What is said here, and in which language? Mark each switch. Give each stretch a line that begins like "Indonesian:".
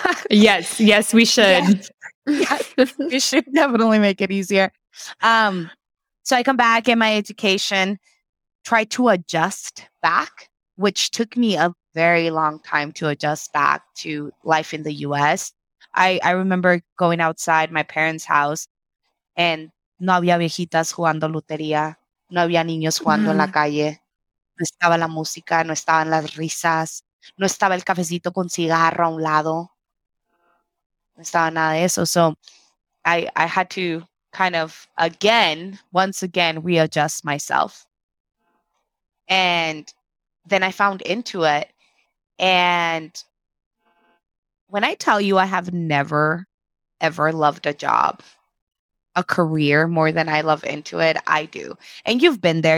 English: Yes. Yes, we should. Yes. We should definitely make it easier. So I come back, get my education, try to adjust back, which took me a very long time to adjust back to life in the U.S. I remember going outside my parents' house and
Spanish: no había viejitas jugando lotería, no había niños jugando en la calle, no estaba la música, no estaban las risas, no estaba el cafecito con cigarro a un lado, no estaba nada de eso.
English: So I had to kind of once again readjust myself. And then I found into it. And when I tell you I have never, ever loved a job, a career more than I love into it, I do. And you've been there.